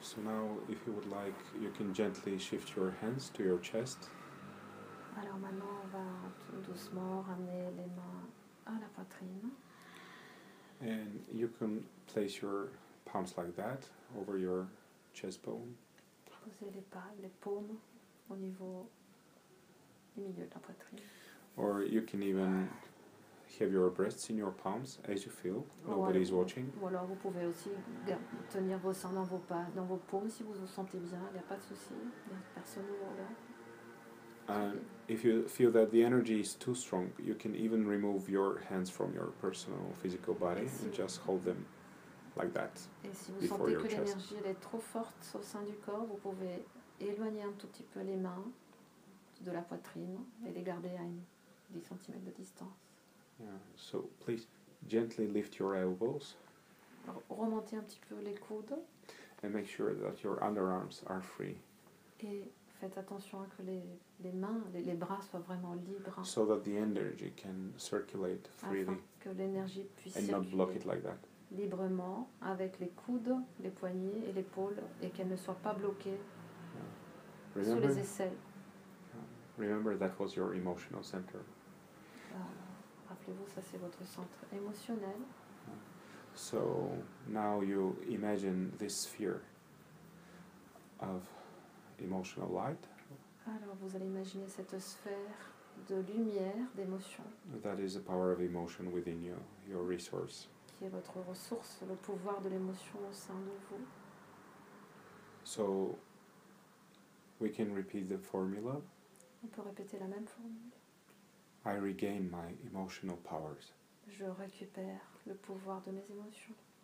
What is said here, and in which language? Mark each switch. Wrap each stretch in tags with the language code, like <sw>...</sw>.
<en>So now, if you would like, you can gently shift your hands to your chest.</en> <fr>Alors maintenant, on va tout doucement ramener les mains à la poitrine.</fr> <en>And you can place your palms like that over your chest bone.</en> <fr>Poser les paumes au niveau du milieu de la poitrine.</fr> <en>Or you can even have your breasts in your palms as you feel. Nobody's watching.</en> <fr>Ou alors vous pouvez aussi tenir vos seins dans vos pas, dans vos paumes si vous vous sentez bien. Il n'y a pas de souci. Personne ne voit.</fr> <en>If you feel that the energy is too strong, you can even remove your hands from your personal physical body and just hold them like that.</en> <fr>Et si vous sentez que l'énergie est trop forte au sein du corps, vous pouvez éloigner un tout petit peu les mains de la poitrine et les garder à 10 cm de distance.</fr> <en>Yeah. So please gently lift your elbows.</en> <fr>Remontez un petit peu les coudes.</fr> <en>And make sure that your underarms are free.</en> <fr>Et faites attention à que les mains, les bras soient vraiment libres.</fr> <en>So that the energy can circulate freely.</en> <fr>Afin que l'énergie puisse</fr> <en>and</en> <fr>circuler</fr> <en>not block it like that.</en> <fr>Librement avec les coudes, les poignets et l'épaule et qu'elle ne soit pas bloquée sous les aisselles.</fr> <en>Remember that was your emotional center.</en> <fr>Rappelez-vous, ça c'est votre centre émotionnel.</fr> <en>So now you imagine this sphere of emotional light.</en> <fr>Alors vous allez imaginer cette sphère de lumière, d'émotion.</fr> <en>That is the power of emotion within you, your resource.</en> <fr>Qui est votre ressource, le pouvoir de l'émotion au sein de vous.</fr> <en>So we can repeat the formula.</en> <fr>On peut répéter la même formule.</fr> <en>I regain my emotional powers.</en> <fr>Je récupère le pouvoir de mes émotions.</fr>